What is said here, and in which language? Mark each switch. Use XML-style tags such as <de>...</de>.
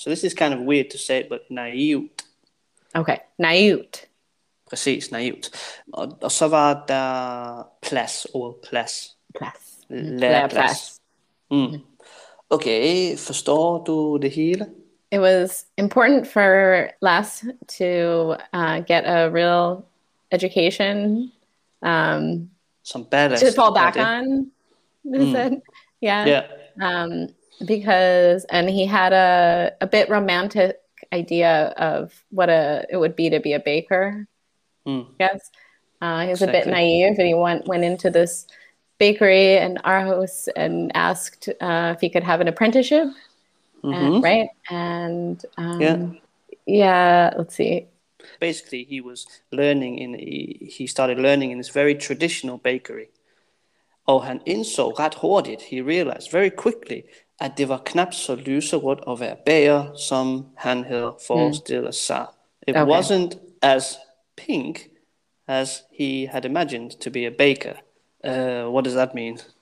<en>So this is kind of weird to say it, but naivt.</en> <da>Okay, naivt. Precis, naivt. Og så var der plads, ord plads. Plads. Læreplads. Mm. Okay, forstår du det hele?</da> <en>It was important for Les to get a real education. Some better. To fall back on. Yeah. Because, and he had a bit romantic idea of what it would be to be a baker. Mm. Yes. He was a bit naive, and he went into this bakery and our house and asked if he could have an apprenticeship. Mm-hmm. Right. And let's see. Basically, he was learning in this very traditional bakery.</en> <da>Og han indså ret hurtigt,</da> <en>he realized very quickly,</en> <da>at det var knap så lyserødt at være bager, som han havde forestillet sig.</da> <en>It wasn't as pink as he had imagined to be a baker. What does that mean?</en>